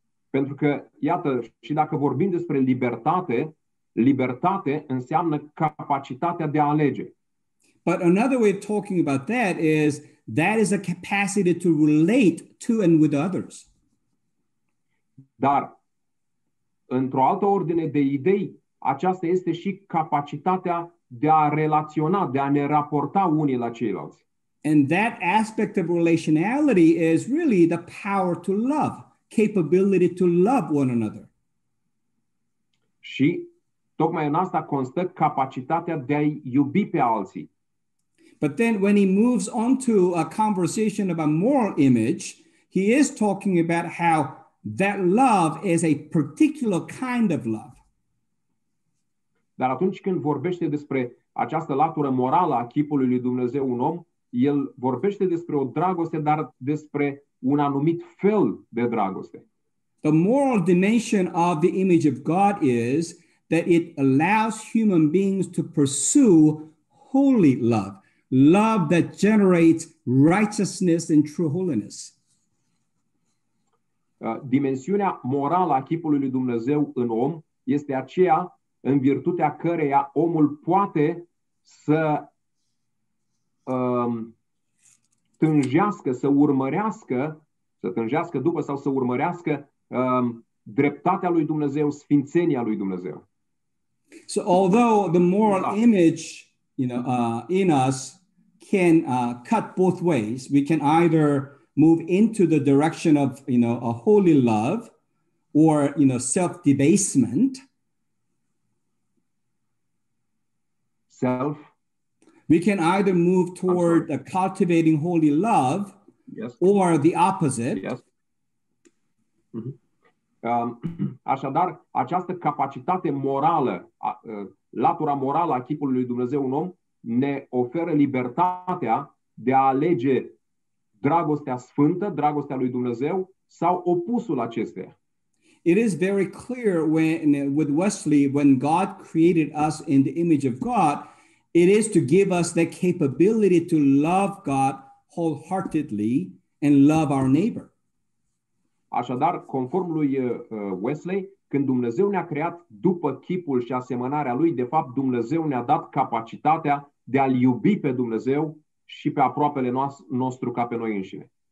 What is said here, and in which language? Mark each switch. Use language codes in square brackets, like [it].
[ro] Pentru că, iată, și dacă vorbim despre libertate, libertate înseamnă capacitatea de a alege. [en] But another way of talking about that is that is a capacity to relate to and with others. [ro] Dar într-o altă ordine de idei, aceasta este și capacitatea de a relaționa, de a ne raporta unii la ceilalți. [en] And that aspect of relationality is really the power to love, capability to love one another. [ro] Și tocmai în asta constă capacitatea de a iubi pe alții. [en] But then when he moves on to a conversation about moral image, he is talking about how that love is a particular kind of love. [ro] Dar atunci când vorbește despre această latură morală a chipului lui Dumnezeu un om, el vorbește despre o dragoste, dar despre un anumit fel de dragoste. [en] The moral dimension of the image of God is that it allows human beings to pursue holy love, love that generates righteousness and true holiness. [ro] Dimensiunea morală a chipului lui Dumnezeu în om este aceea în virtutea căreia omul poate să tânjească, să urmărească, să tânjească după sau să urmărească dreptatea lui Dumnezeu, sfințenia lui Dumnezeu. [en] So although the moral image, you know, in us can cut both ways, we can either move into the direction of, you know, a holy love or, you know, self-debasement. Self. We can either move toward cultivating holy love, yes, or the opposite. Yes. Mm-hmm. [ro] Așadar, această capacitate morală, latura morală a chipului lui Dumnezeu un om, ne oferă libertatea de a alege dragostea sfântă, dragostea lui Dumnezeu, sau opusul acesteia. [en] It is very clear when, with Wesley, when God created us in the image of God, it is to give us the capability to love God wholeheartedly and love our neighbor. [ro] Așadar, conform lui Wesley, când Dumnezeu ne-a creat după chipul și asemănarea lui, de fapt Dumnezeu ne-a dat capacitatea de a-L iubi pe Dumnezeu și pe aproapele nostru ca pe noi înșine.